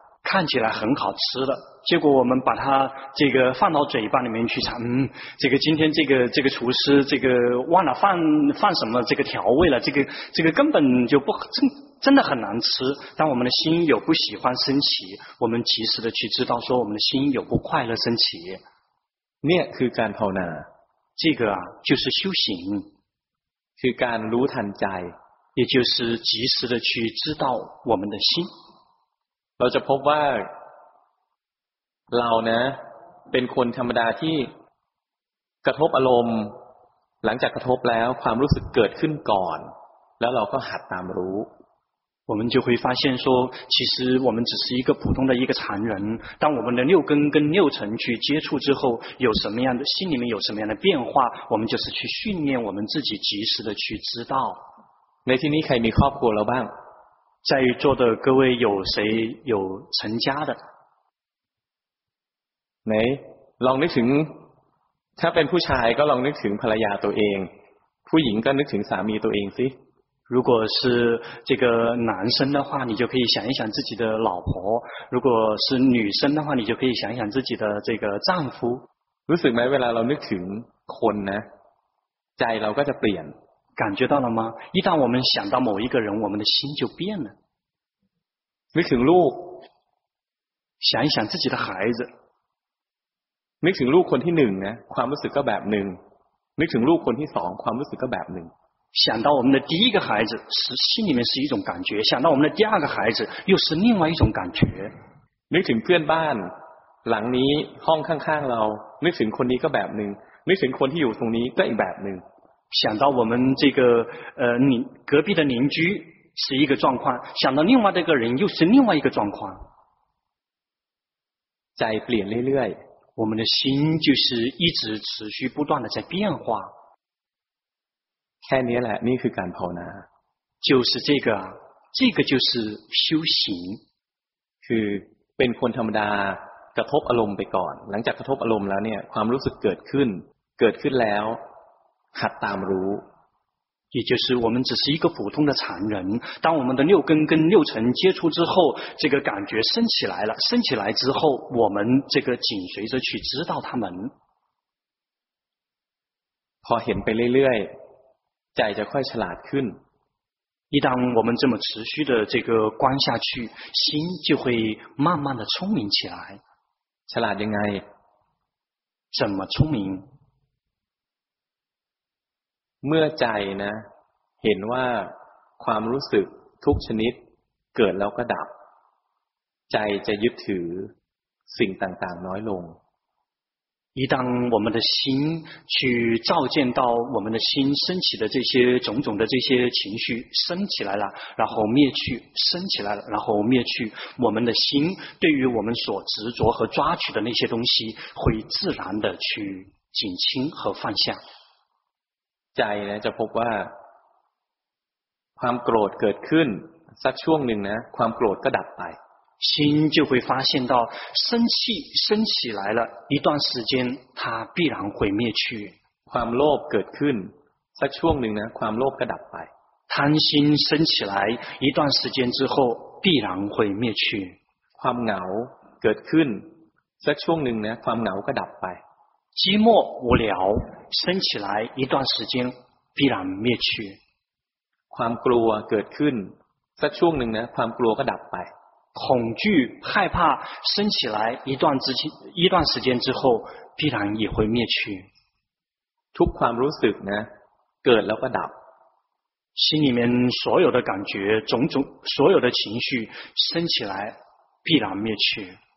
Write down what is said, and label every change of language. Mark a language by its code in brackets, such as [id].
[zh] 看起来很好吃的结果我们把它这个放到嘴巴里面去尝这个今天这个厨师这个忘了放什么这个调味了这个根本就不真的很难吃当我们的心有不喜欢升起我们及时的去知道说我们的心有不快乐升起 [th] เนี่ยคือการภาวนา [zh] 这个啊就是修行 [th] คือการรู้ทันใจ [zh] 也就是及时的去知道我们的心 [th] เราจะพบว่าเรานะเป็นคนธรรมดาที่กระทบอารมณ์หลังจากกระทบแล้วความรู้สึกเกิดขึ้นก่อนแล้วเราก็หัดตามรู้ [zh] 我们就会发现说其实我们只是一个普通的一个常人当我们的六根跟六尘去接触之后有什么样的心里面有什么样的变化我们就是去训练我们自己及时的去知道 [th] ในที่นี้ใครมีครอบครัวแล้วบ้าง [zh] 在座的各位有谁有成家的 [th] ไหนลองนึกถึงถ้าเป็นผู้ชายก็ลองนึกถึงภรรยาตัวเองผู้หญิงก็นึกถึงสามีตัวเองสิ [zh] 如果是这个男生的话你就可以想一想自己的老婆如果是女生的话你就可以想一想自己的这个丈夫 [th] รู้สึกไหมเวลาเรานึกถึงคนนะใจเราก็จะเปลี่ยน [zh] 感觉到了吗一旦我们想到某一个人我们的心就变了 [th] นึกถึงลูก [zh] 想一想自己的孩子 [th] นึกถึงลูกคนที่หนึ่งนะความรู้สึกก็แบบนึงนึกถึงลูกคนที่สองความรู้สึกก็แบบนึง [zh] 想到我们的第一个孩子是心里面是一种感觉想到我们的第二个孩子又是另外一种感觉 [th] นึกถึงเพื่อนบ้านหลังนี้ห้องข้างๆเรานึกถึงคนนี้ก็แบบนึงนึกถึงคนที่อยู่ตรงนี้ก็อีกแบบนึง [zh] 想到我们这个隔壁的邻居是一个状况想到另外这个人又是另外一个状况在 [th] เปลี่ยนเรื่อย [zh] ๆ我们的心就是一直持续不断的在变化 [th] แค่นี้แหละนี่คือการภาวนา [zh] 就是这个就是修行 [th] คือเป็นคนธรรมดากระทบอารมณ์ไปก่อนหลังจากกระทบอารมณ์แล้วเนี่ยความรู้สึกเกิดขึ้นแล้วหัดตามรู้ [zh] 也就是我们只是一个普通的常人当我们的六根跟六尘接触之后这个感觉升起来了升起来之后我们这个紧随着去知道它们 [th] พอเห็นไปเรื่อยๆใจจะค่อยฉลาดขึ้น [zh] 一旦我们这么持续的这个观下去，心就会慢慢的聪明起来。 [th] ฉลาดยังไง？ [zh] 怎么聪明？ [th] เมื่อใจนะเห็นว่าความรู้สึกทุกชนิดเกิดแล้วก็ดับใจจะยึดถือสิ่งต่างๆน้อยลง [zh] 一旦我们的心去照见到我们的心升起的这些种种的这些情绪升起来了然后灭去升起来了然后灭去我们的心对于我们所执着和抓取的那些东西会自然的去减轻和放下 [th] ใจนะจะพบว่าความโกรธเกิดขึ้นสักช่วงหนึ่งนะความโกรธก็ดับไป [zh] 心就会发现到生气升起来了一段时间它必然会灭去 [th] ความโลภเกิดขึ้นสักช่วงหนึ่งนะความโลภก็ดับไป [zh] 贪心升起来一段时间之后必然会灭去 [th] ความเหงาเกิดขึ้นสักช่วงหนึ่งนะความเหงาก็ดับไป [zh] 寂寞无聊升起来一段时间必然灭去 [th] ความกลัวเกิดขึ้นสักช่วงหนึ่งนะความกลัวก็ดับไป [zh] 恐惧害怕升起来一段时间之后必然也会灭去 [th] ทุกความรู้สึกนะเกิดแล้วก็ดับ [zh] 心里面所有的感觉种种所有的情绪升起来必然灭去